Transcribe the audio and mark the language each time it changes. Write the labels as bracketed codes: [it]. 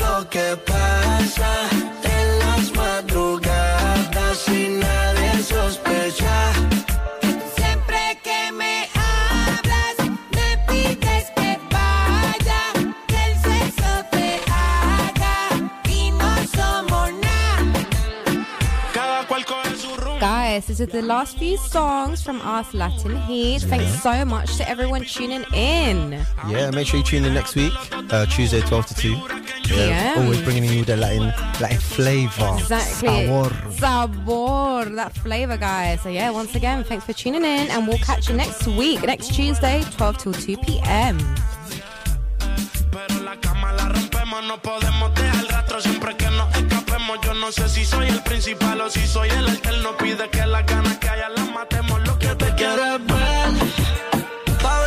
[es] ¿Qué pasa en las madrugadas si nadie sospecha? Siempre que me hablas, me pides que vaya, que el sexo te haga y no somos nada. Cada cual coge su rumbo. [en] Guys, this is the last few songs from Ask Latin Heat. Thanks so much to everyone tuning in. Yeah, make sure you tune in next week, Tuesday 12 to 2. Yeah. Always bringing you the Latin flavor. Exactly. [es] Sabor. [en] Sabor. That flavor, guys. So, yeah, once again, thanks for tuning in. And we'll catch you next week, next Tuesday, 12 till 2 p.m. [es] Pero la cama la rompemos, no podemos dejar rastro siempre que nos escapemos. Yo no sé si soy el principal o si soy el alter. No pide que las ganas que haya las matemos. Lo que te quiero es ver.